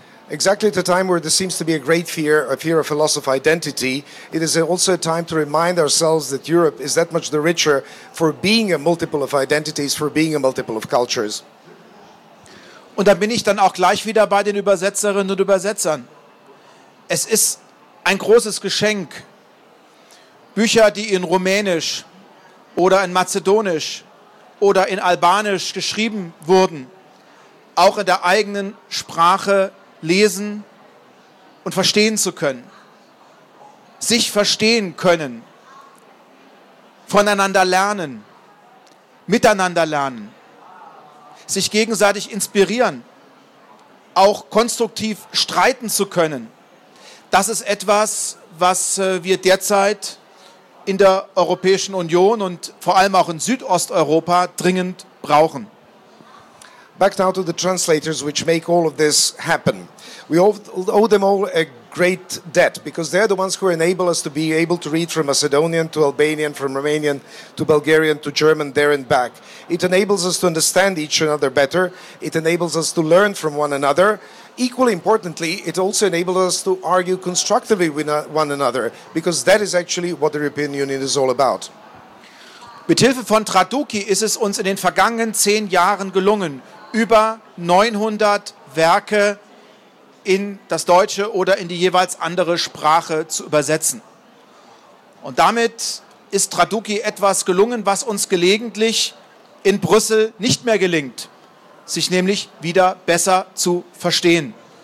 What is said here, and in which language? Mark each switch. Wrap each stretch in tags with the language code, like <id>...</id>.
<en>Exactly at a time where there seems to be a great fear, a fear of a loss of identity, it is also a time to remind ourselves that Europe is that much the richer for being a multiple of identities, for being a multiple of cultures.</en> <de>Und da bin ich dann auch gleich wieder bei den Übersetzerinnen und Übersetzern. Es ist ein großes Geschenk, Bücher, die in Rumänisch oder in Mazedonisch oder in Albanisch geschrieben wurden, auch in der eigenen Sprache lesen und verstehen zu können. Sich verstehen können, miteinander lernen, sich gegenseitig inspirieren, auch konstruktiv streiten zu können. Das ist etwas, was wir derzeit in der Europäischen Union und vor allem auch in Südosteuropa dringend brauchen.</de> <en>Back now to the translators, which make all of this happen. We owe them all a great debt, because they are the ones who enable us to be able to read from Macedonian to Albanian, from Romanian to Bulgarian to German, there and back. It enables us to understand each other better. It enables us to learn from one another. Equally importantly, it also enables us to argue constructively with one another, because that is actually what the European Union is all about.</en> <de>Mithilfe von Traduki ist es uns in den vergangenen 10 Jahren gelungen, über 900 Werke in das Deutsche oder in die jeweils andere Sprache zu übersetzen. Und damit ist Traduki etwas gelungen, was uns gelegentlich in Brüssel nicht mehr gelingt, sich nämlich wieder besser zu verstehen.</de>